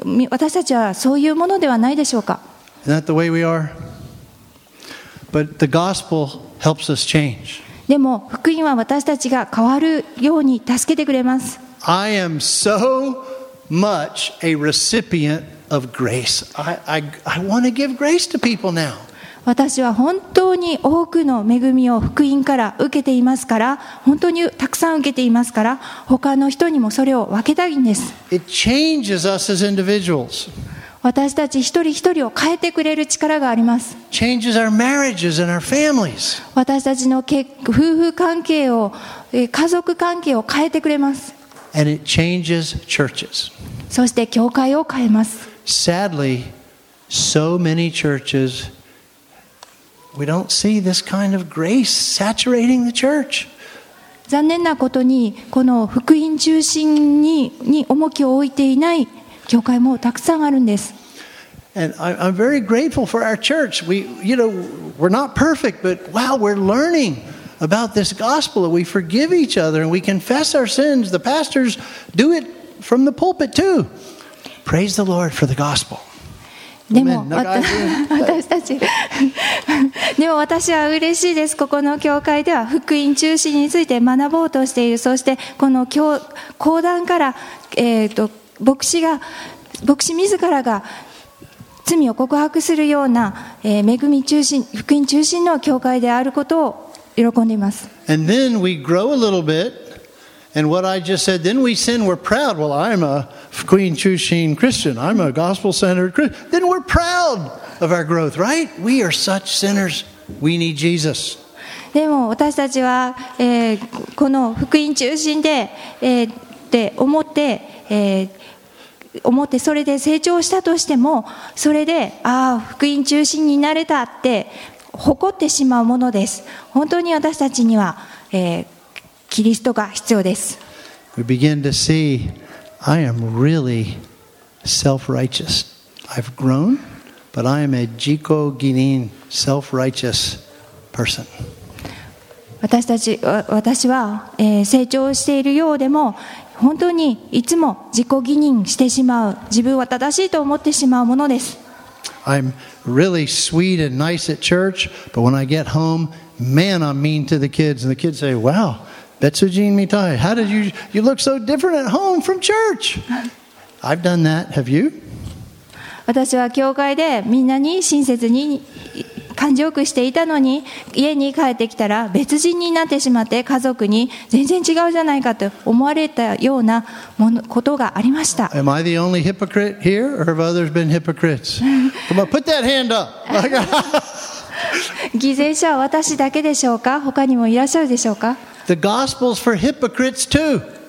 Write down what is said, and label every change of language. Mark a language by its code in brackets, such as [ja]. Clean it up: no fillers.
[ja] 私たちはそういうものではないでしょうか。 [en] Is that the way we are? But the gospel. Helps us change. [ja] でも福音は私たちが変わるように助けてくれます。 [en] I am so much a recipient of grace. I want to give grace to people now. [ja] 私は本当に多くの恵みを福音から受けていますから、本当にたくさん受けていますから、他の人にもそれを分けたいんです。 [en] It changes us as individuals. [ja] 私たち一人一人を変えてくれる力があります。 [en] Changes our marriages and our families. [ja] 私たちの夫婦関係を、家族関係を変えてくれます。 [en] And it changes churches. [ja] そして教会を変えます。 [en] Sadly, so many churches, we don't see this kind of grace saturating the church. [ja] 残念なことに、この福音中心 に重きを置いていない教会もたくさんあるんです。 [en] And I'm very grateful for our church. We, you know, we're not perfect, but wow, we're learning about this gospel. We forgive each other and we confess our sins. The pastors do it from the pulpit too. Praise the Lord for the gospel. [ja] でも私たちでも私は嬉しいです。ここの教会では福音中心について学ぼうとしている。そしてこの講談から、牧師自らが罪を告白するような、恵み中心、福音中心の教会であることを喜んでいます。 [en] And then we grow a little bit. And what I just said, then we sin, we're proud. Well, I'm a [ja] 福音中心 [en] Christian. I'm a gospel-centered Christian. Then we're proud of our growth, right? We are such sinners. We need Jesus. [ja] でも私たちは、この福音中心で、って思って、思ってそれで成長したとしても、それでああ福音中心になれたって誇ってしまうものです。本当に私たちには、キリストが必要です。 [en] We begin to see I am really self-righteous. I've grown, but I am a 自己義人 self-righteous person. [ja] 私は、成長しているようでも本当にいつも自己義人してしまう、自分は正しいと思ってしまうものです。 [en] I'm really sweet and nice at church, but when I get home, man, I'm mean to the kids. And the kids say, wow, [ja] Betsu Jean Mitai, [en] how did you, you look so different at home from church. I've done that, have you? [ja] 私は教会でみんなに親切に感情くしていたのに、家に帰ってきたら別人になってしまって、家族に全然違うじゃないかと思われたようなものことがありました。 [en] Am I the only hypocrite here, or have others been hypocrites? Come on, put that hand up. [ja] 偽善者は私だけでしょうか、他にもいらっしゃるでしょうか。 [en] The gospel's for hypocrites too.